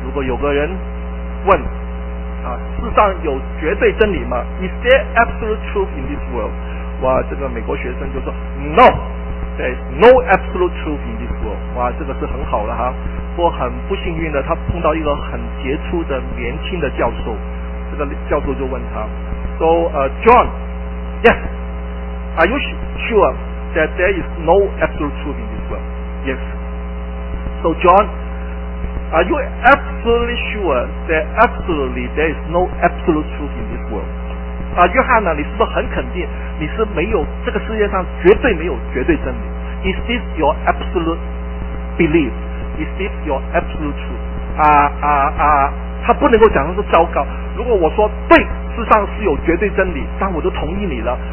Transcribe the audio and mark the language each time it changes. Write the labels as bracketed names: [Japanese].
[Chinese] 如果有个人问啊，世上有绝对真理吗？ [English] Is there absolute truth in this world? [Chinese] 哇，这个美国学生就说 [English] No, there's no absolute truth in this world. [Chinese] 哇，这个是很好了哈。不过很不幸运的，他碰到一个很杰出的年轻的教授。这个教授就问他 [English] So, John, yes, are you sure that there is no absolute truth in this world? Yes. So, John, are you absolutely sure that absolutely there is no absolute truth in this world? [Chinese] 啊，约翰呢，你是不是很肯定你是没有，这个世界上绝对没有绝对真理？ [English] Is this your absolute belief? Is this your absolute truth? [Chinese] 他不能够讲的是糟糕。如果我说对，世上是有绝对真理，但我都同意你了。